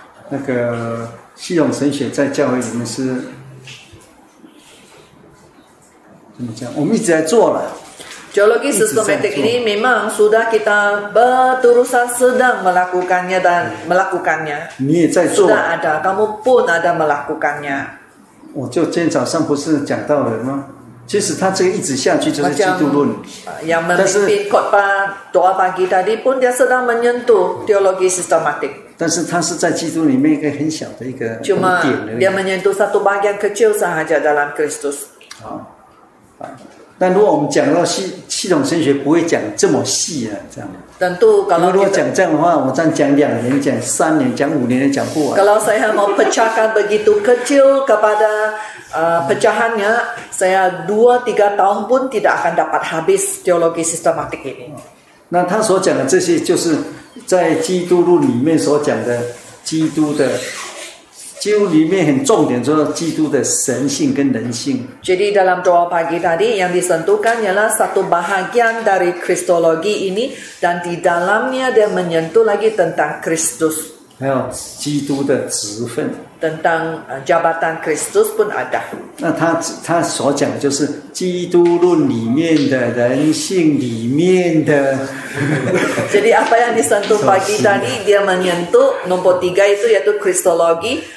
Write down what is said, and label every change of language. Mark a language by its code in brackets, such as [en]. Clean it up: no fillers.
[zh] 那个系统神学在教会里面是怎么讲？我们一直在做了。 [ms] Teologi sistematik ini memang sudah kita berterusan sedang melakukannya dan melakukannya. Sudah ada, kamu pun ada melakukannya. [zh] 我就今天早上不是讲到了吗？其实他这个一直下去就是基督论。 [ms] Yang memimpin khotbah doa pagi tadi pun dia sedang menyentuh teologi sistematik. [zh] 但是他是在基督里面一个很小的一个点。 [ms] Cuma dia menyentuh satu bagian kecil sahaja dalam Kristus. [zh] 但如果我们讲到 系统神学不会讲这么细啊，这样。但都如果讲这样的话，我这样讲两年、讲三年、讲五年也讲不完。 [ms] Kalau saya mau pecahkan begitu kecil kepada pecahannya, saya 2-3 tahun pun tidak akan dapat habis teologi sistematik ini. [zh] 那他所讲的这些，就是在基督论里面所讲的基督的。就里面很重点，就是基督的神性跟人性。 [ms] Jadi dalam doa pagi tadi yang disentuhkan ialah satu bahagian dari Kristologi ini dan di dalamnya dia menyentuh lagi tentang Kristus. [zh] 还有基督的职分。 [ms] Tentang jabatan Kristus pun ada. [zh] 那他所讲就是基督论里面的人性里面的。 [ms] Jadi apa yang disentuh pagi tadi dia menyentuh nomor tiga itu yaitu Kristologi.